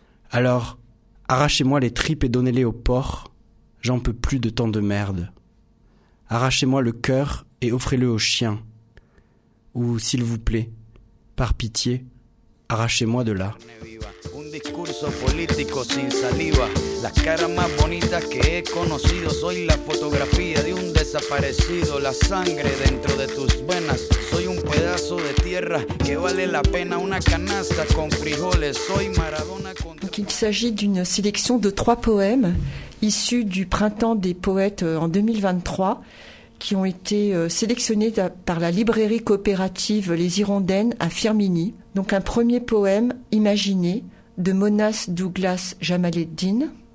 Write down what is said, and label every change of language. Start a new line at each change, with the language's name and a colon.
French: Alors, arrachez-moi les tripes et donnez-les aux porcs, j'en peux plus de tant de merde. Arrachez-moi le cœur et offrez-le aux chiens. Ou, s'il vous plaît, par pitié, arrachez-moi de là.
Spanish: Discurso político sin saliva, las caras más bonitas que he conocido, soy la fotografía de un desaparecido, la sangre dentro de tus venas, soy un pedazo de tierra que vale la pena, una canasta con frijoles, soy Maradona contra...
French: Donc, il s'agit d'une sélection de trois poèmes issus du printemps des poètes en 2023 qui ont été sélectionnés par la librairie coopérative Les Hirondaines à Firminy. Donc un premier poème imaginé de Monas Douglas Jamaleddin.